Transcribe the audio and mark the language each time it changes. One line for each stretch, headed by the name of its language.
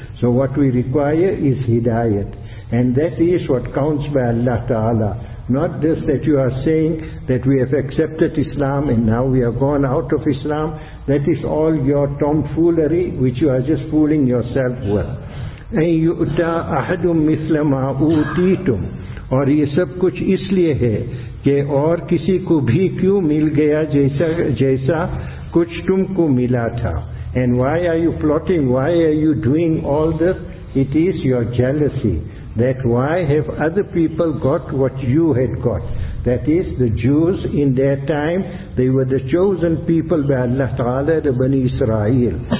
English: So what we require is hidayat. And that is what counts by Allah Ta'ala. Not this that you are saying that we have accepted Islam and now we have gone out of Islam. That is all your tomfoolery which you are just fooling yourself with.
Arabic: اَن يُؤْتَى أَحَدٌ مِثْلَ مَا أُوْتِيْتُمْ.
Urdu: اور یہ سب کچھ اس لیے ہے کہ اور کسی کو بھی کیوں مل گیا جیسا کچھ تم کو ملا تھا.
English: And why are you plotting? Why are you doing all this? It is your jealousy. That why have other people got what you had got? That is, the Jews in their time, they were the chosen people by Allah Ta'ala, the Bani Israel.